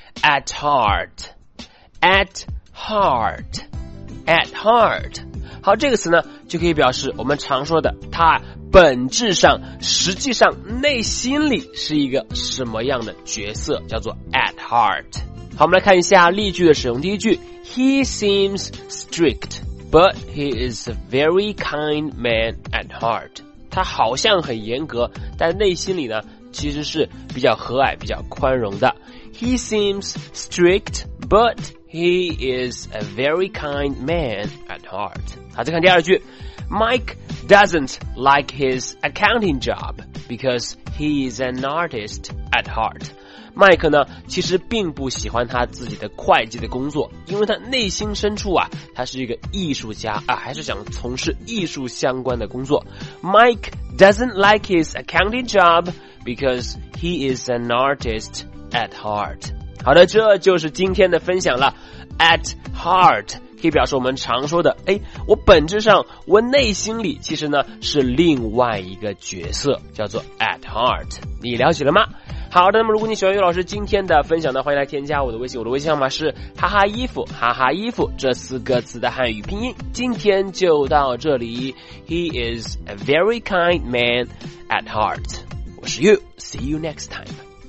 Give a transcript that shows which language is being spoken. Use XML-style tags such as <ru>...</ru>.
<en>At heart, at heart, at heart。</en> <zh>好，这个词呢，就可以表示我们常说的，它本质上、实际上、内心里是一个什么样的角色，叫做 at heart。好，我们来看一下例句的使用。第一句</zh> <en>，He seems strict。 But he is a very kind man at heart.</en> <zh>他好像很严格，但内心里呢，其实是比较和蔼、比较宽容的。</zh> <en>He seems strict, but he is a very kind man at heart.</en> <zh>好，再看第二句。</zh> <en>Mike doesn't like his accounting job because he is an artist at heart.</en> <zh>麦克呢，其实并不喜欢他自己的会计的工作，因为他内心深处啊，他是一个艺术家啊，还是想从事艺术相关的工作。</zh> <en>Mike doesn't like his accounting job because he is an artist at heart.</en> <zh>好的，这就是今天的分享了。At heart 可以表示我们常说的，哎，我本质上，我内心里其实呢是另外一个角色，叫做 at heart。你了解了吗？好的，那么如果你喜欢悠悠老师今天的分享呢，欢迎来添加我的微信，我的微信号码是哈哈衣服，哈哈衣服这四个字的汉语拼音。今天就到这里。</zh> <en>He is a very kind man at heart.</en> <zh>我是</zh> <en>You, see you next time.</en>